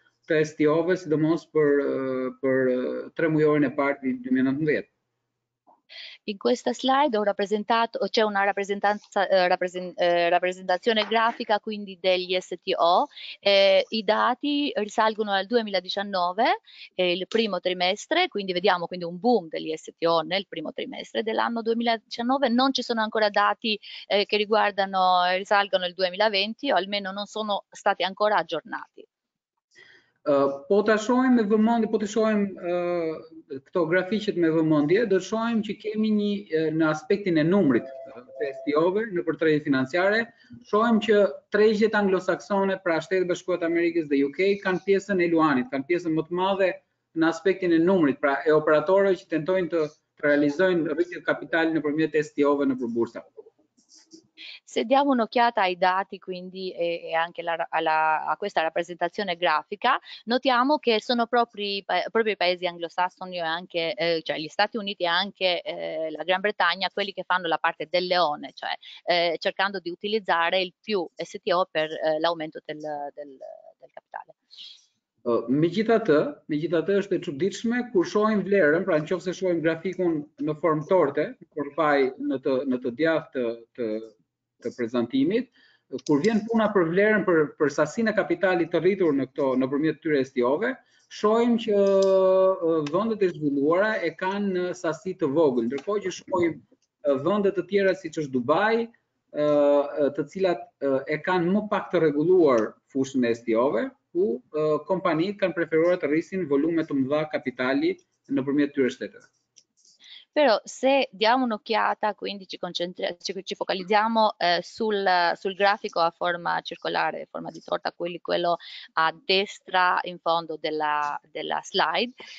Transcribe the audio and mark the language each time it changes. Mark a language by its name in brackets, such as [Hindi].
[Albanian] stress the ovës the most për për 3 mujorin e parë të 2019. [Italian] In questa slide ho rappresentato, c'è una rappresentanza, rappresentazione grafica quindi degli STO. I dati risalgono al 2019, il primo trimestre, quindi vediamo quindi un boom degli STO nel primo trimestre dell'anno 2019. Non ci sono ancora dati che riguardano, risalgono il 2020, o almeno non sono stati ancora aggiornati. [Albanian] Po ta shohim me vëmendje, po ta shohim këto grafiqet me vëmendje, do shohim që kemi një në aspektin e numrit, testi over në portretin financiare, shohim që tregjet anglosaksone, pra Shtetet Bashkuara të Amerikës dhe UK kanë pjesën e luanit, kanë pjesën më të madhe në aspektin e numrit, pra e operatorëve që tentojnë të realizojnë rritjet kapitali nëpërmjet testi over në bursa. [Italian] Se diamo un'occhiata ai dati quindi e anche a questa rappresentazione grafica, notiamo che sono proprio i paesi anglosassoni e anche cioè gli Stati Uniti e anche la Gran Bretagna quelli che fanno la parte del leone, cioè cercando di utilizzare il più STO per l'aumento del capitale. [Albanian] Megjithatë është e çuditshme kur shohim vlerën, pra nëse shohim grafikun në formë torte, kur vaj në të djathtë të prezantimit, kur vjen puna për vlerën për sasinë e kapitalit të rritur në këto nëpërmjet këtyre STO-ve, shohim që vendet e zhvilluara e kanë sasi të vogël, ndërkohë që shohim vende të tjera siç është Dubai, të cilat e kanë më pak të rregulluar fushën e STO-ve, ku kompanitë kanë preferuar të rrisin volume të mëdha kapitali nëpërmjet këtyre shteteve. [Italian] Però se diamo un'occhiata, quindi ci focalizziamo sul grafico a forma circolare, forma di torta, quello a destra in fondo della slide,